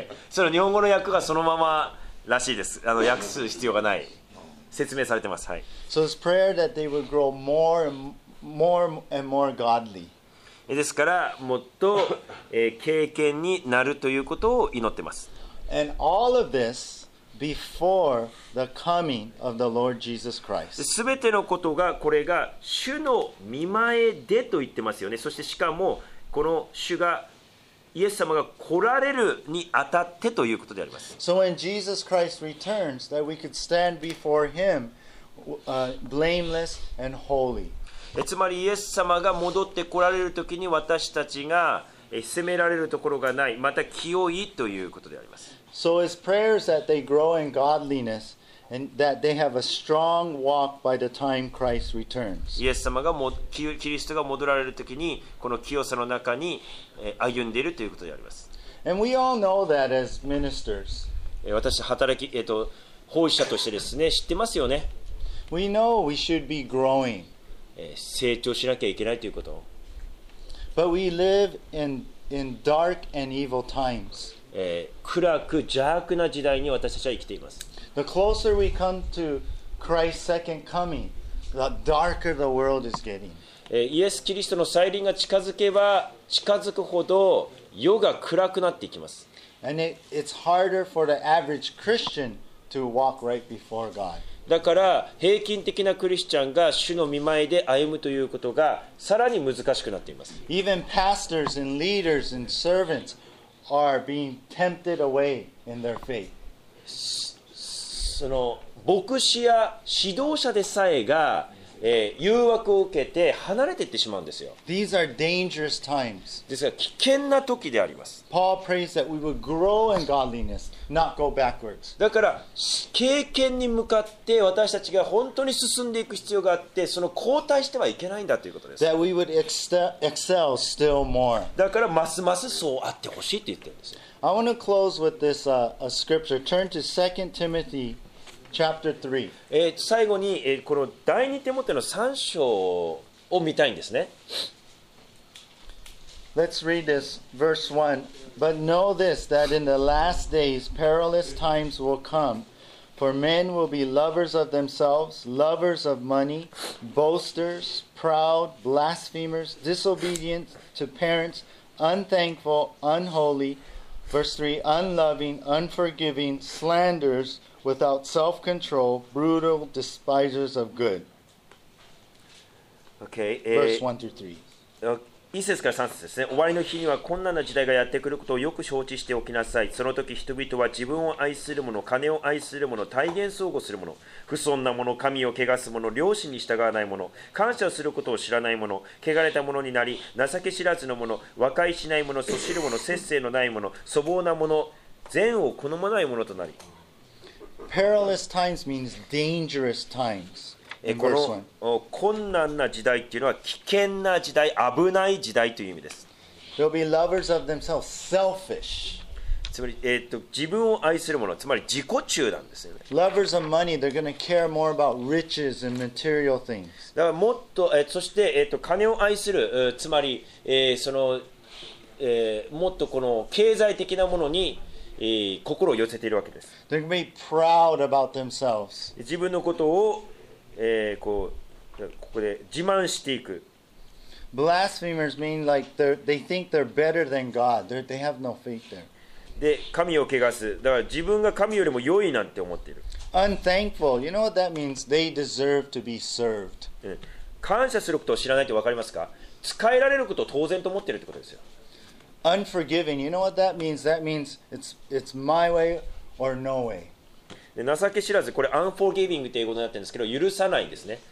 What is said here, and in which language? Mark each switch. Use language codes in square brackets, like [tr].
[ja] その日本語の訳がそのままらしいです。訳す必要がない。説明されてます。はい。 [en] So it's prayer that they would grow more and more godly. [ja] ですから、もっと敬虔になるということを祈ってます。 [en] And all of this before the coming of the Lord Jesus Christ. [ja] すべてのことが、これが主の御前でと言ってますよね。そしてしかも、この主がイエス様が来られるにあたってということであります。 [en] So when Jesus Christ returns, that we could stand before Him, blameless and holy. [ja] つまりイエス様が戻って来られるときに私たちが責められるところがない、また清いということであります。 [en] So his prayers that they grow in godliness and that they have a strong walk by the time Christ returns. [ja] イエス様がキリストが戻られるときにこの清さの中に歩んでいるということであります。 [en] And we all know that as ministers. [ja] 私働き、奉仕者としてですね、知ってますよね。 [en] We know we should be growing. [ja] 成長しなきゃいけないということ。 [en] But we live in dark and evil times. [ja] 暗く邪悪な時代に私たちは生きています。 [en] The closer we come to Christ's second coming, the darker the world is getting. [ja] イエス・キリストの再臨が近づけば近づくほど世が暗くなっていきます。 [en] And it's harder for the average Christian to walk right before God. [ja] だから平均的なクリスチャンが主の御前で歩むということがさらに難しくなっています。 [en] Even pastors and leaders and servants are being tempted away in their faith. [ja] その牧師や指導者でさえが誘惑を受けて離れていってしまうんですよ。 [en] These are dangerous times. [ja] ですから危険な時であります。 [en] Paul prays that we would grow in godliness, not go backwards. [ja] だから経験に向かって私たちが本当に進んでいく必要があって、その後退してはいけないんだということです。 [en] That we would excel still more. [ja] だからますますそうあってほしいって言ってるんですよ。 [en] I want to close with this a scripture. Turn to 2 Timothy. Chapter 3. [ja] 最後に、この第二テモテの三章を見たいんですね。 [en] Let's read this, verse 1. But know this, that in the last days perilous times will come, for men will be lovers of themselves, lovers of money, boasters, proud, blasphemers, disobedient to parents, unthankful, unholy, verse 3, unloving, unforgiving, slanderers,Without self-control, brutal despisers of good. Okay, verse 1 through 3. 1 [ja] 節から3節ですね。終わりの日には困難な時代がやってくることをよく承知しておきなさい。その時人々は自分を愛する者、金を愛する者、大言相互する者、不尊な者、神を汚す者、良心に従わない者、感謝することを知らない者、汚れた者になり、情け知らずの者、和解しない者、そしる者、節制のない者、粗暴な者、善を好まない者となり。 [en] perilous times means dangerous times. [ja] この困難な時代っていうのは危険な時代、危ない時代という意味です。 [en] They'll be lovers of themselves, selfish. [ja] つまり、自分を愛する者、つまり自己中なんですよね。 [en] Lovers of money, they're going to care more about riches and material things. [ja] だからもっと、そして、金を愛する、つまり、その、もっとこの経済的なものに、心を寄せているわけです。 [en] They're going to be proud about themselves. [ja] 自分のことを、こう、ここで自慢していく。 [en] Blasphemers mean like they think they're better than God. They have no faith there. [ja] で、神を汚す。だから自分が神よりも良いなんて思っている。 [en] Unthankful. You know what that means? They deserve to be served. [ja] 感謝することを知らないって分かりますか？使えられることを当然と思っているってことですよ。 [en] Unforgiving. You know what that means? That means it's my way or no way. [ja] 情け知らず、これ unforgiving という英語になってるんですけど、許さないんですね。